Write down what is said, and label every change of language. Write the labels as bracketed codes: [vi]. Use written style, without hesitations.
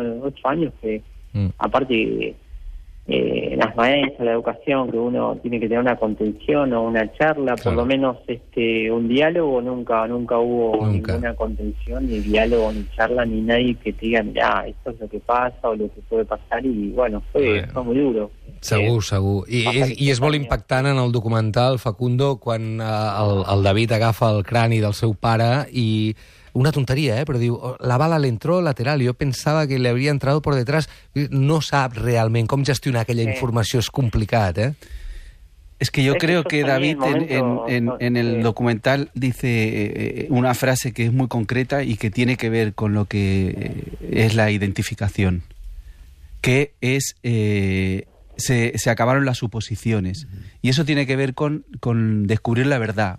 [es] En 8 años, que aparte las maestras, la educación, que uno tiene que tener una contención o una charla, claro, por lo menos un diálogo, nunca hubo ninguna contención, ni diálogo, ni charla, ni nadie que te diga, mirá, esto es lo que pasa o lo que puede pasar, y bueno, fue muy duro. [ca] Segur. I és molt impactant en el documental, Facundo, quan el David agafa el crani del seu pare i... Una tonteria, però diu, [es] la bala le entró lateral, [ca] jo pensava que li havia entrat per detrás. No sap realment com gestionar aquella informació, és complicat, [es] Es que yo creo que David en el documental dice una frase que es muy concreta y que tiene que ver con lo que es la identificación, que es... Se acabaron las suposiciones. Y eso tiene que ver con descubrir la verdad.